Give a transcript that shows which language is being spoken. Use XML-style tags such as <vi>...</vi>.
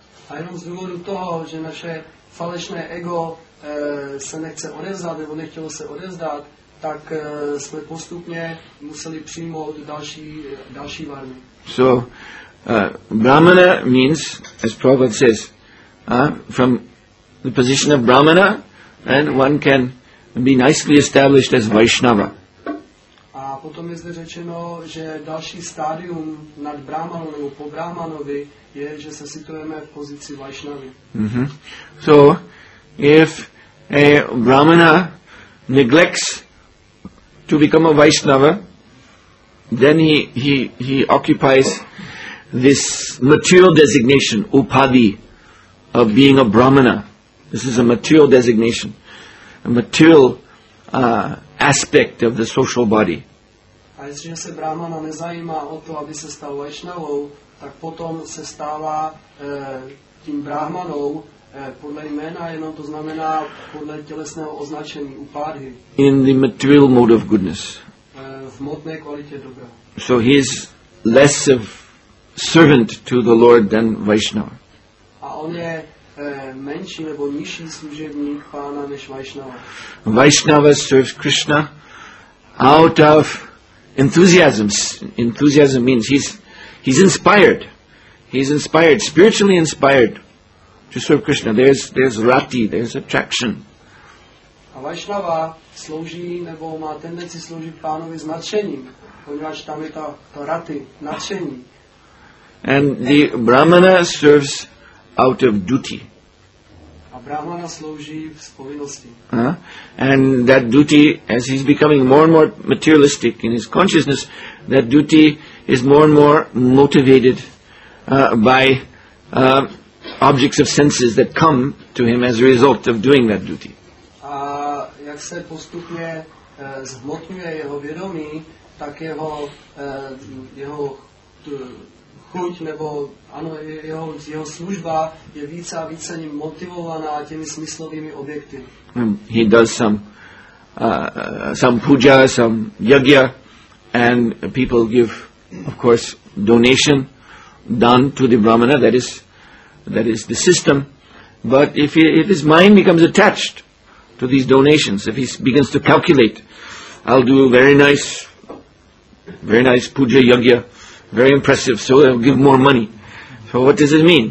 <cs>A jenom z důvodu toho, že naše falešné ego se nechce odevzdat, nebo nechtělo se odevzdat, tak jsme postupně museli přijmout další varny.</cs> <en>So, brahmana means, as Prabhupada says, from the position of brahmana, then one can be nicely established as Vaishnava.</en> <cs>A potom je zde řečeno, že další stádium nad brahmanou nebo po brahmanovi je, že se situujeme v pozici Vaishnavy. Mm-hmm.</cs> <en>So, if a brahmana neglects to become a Vaishnava, then he occupies this material designation, upadhi, of being a brahmana. This is a material designation, a material aspect of the social body.</en> <cs>A jestliže se brahmana nezajímá o to, aby se stal Vaishnavou, tak potom se stává tím brahmanou, podle jména jenom, to znamená podle tělesného označení upádhy.</cs> <en>In the material mode of goodness.</en> <cs>V hmotné kvalitě dobra.</cs> <en>So he is less of servant to the Lord than Vaishnava.</en> <cs>A on je menší nebo nižší služebník pána než Vaishnava.</cs> <en>Vaishnava serves Krishna out of enthusiasm. Enthusiasm means he's inspired. He's inspired, spiritually inspired. To serve Krishna, there's rati, there's attraction.</en> <cs>A Vaishnava slouží nebo má tendenci sloužit pánovi s nadšením,</cs> <pl>ponieważ</pl> <cs>tam je to rati, nadšení.</cs> <en>And the brahmana serves out of duty.</en> <cs>A brahmana slouží z povinnosti.</cs> <en>And that duty, as he's becoming more and more materialistic in his consciousness, that duty is more and more motivated by objects of senses that come to him as a result of doing that duty.</en> <cs>A jak se postupně zhmotňuje jeho vědomí, tak jeho chuť nebo ano, jeho služba je více a více motivovaná těmi smyslovými objekty.</cs> <en>He does some puja, some yagya, and people give, of course, donation done to the brahmana, that is the system. But if his mind becomes attached to these donations, if he begins to calculate, I'll do very nice puja yagya, very impressive, so I'll give more money. So what does it mean?</en>